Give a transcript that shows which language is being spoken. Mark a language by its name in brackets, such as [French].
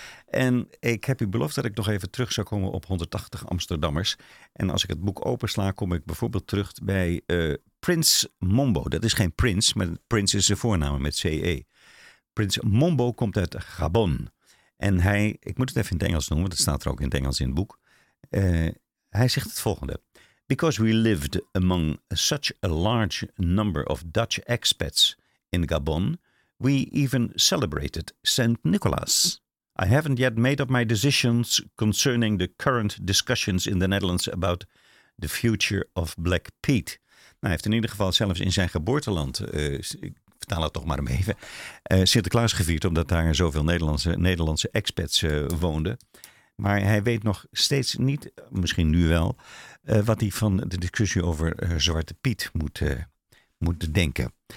[Dutch] En ik heb u beloofd dat ik nog even terug zou komen op 180 Amsterdammers. En als ik het boek opensla, kom ik bijvoorbeeld terug bij Prins Mombo. Dat is geen prins, maar prins is zijn voornaam met CE. Prins Mombo komt uit Gabon. En hij, ik moet het even in het Engels noemen, want het staat er ook in het Engels in het boek. Hij zegt het volgende. [English] Because we lived among such a large number of Dutch expats in Gabon, we even celebrated Saint Nicholas. I haven't yet made up my decisions concerning the current discussions in the Netherlands about the future of Black Pete. [Dutch] Nou, hij heeft in ieder geval zelfs in zijn geboorteland, ik vertaal het toch maar even, Sinterklaas gevierd, omdat daar zoveel Nederlandse expats woonden. Maar hij weet nog steeds niet, misschien nu wel, wat hij van de discussie over Zwarte Piet moet denken.